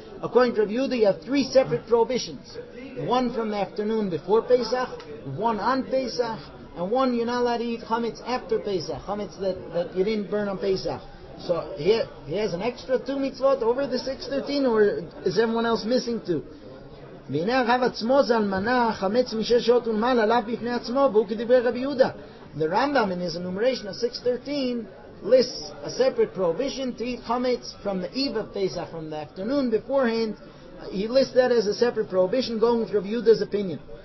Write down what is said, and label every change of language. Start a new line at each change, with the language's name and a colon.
English: According to Rabbi Yehuda, you have three separate prohibitions. One from the afternoon before Pesach, one on Pesach, and one you're not allowed to eat chametz after Pesach, chametz that you didn't burn on Pesach. So he has an extra two mitzvot over the 613, or is everyone else missing two?
Hebrew: והנה הרב עצמו זל מנה חמץ משש שעות ונמל עליו בפני עצמו והוא כדיבר רבי יהודה.
English: The Rambam in his enumeration of 613 lists a separate prohibition to eat chametz from the eve of Pesach, from the afternoon beforehand. He lists that as a separate prohibition going with Rabbi Yehuda's opinion.